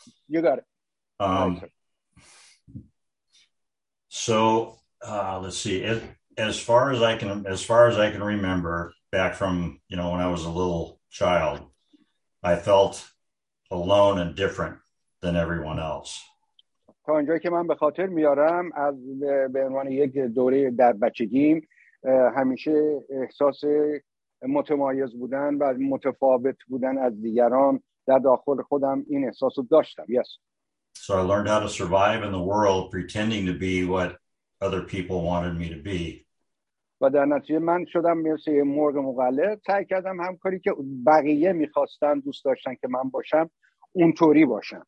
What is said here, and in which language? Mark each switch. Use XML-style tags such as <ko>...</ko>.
<en>you got it. Let's see. As far as I can remember, back from when I was a little child, I felt alone and different than everyone else.</en> <fa>تا اونجایی که من به خاطر میارم از به عنوان یک دوره در بچگیم همیشه احساس متمایز بودن و متفاوت بودن از دیگران در داخل خودم این احساس رو داشتم.</fa> <en>Yes. So I learned how to survive in the world pretending to be what other people wanted me to be.</en> <fa>و در نتیجه من شدم مثل مرغ مقلد، سعی کردم همکاری که بقیه میخواستن دوست داشتن که من باشم اونطوری باشم.</fa>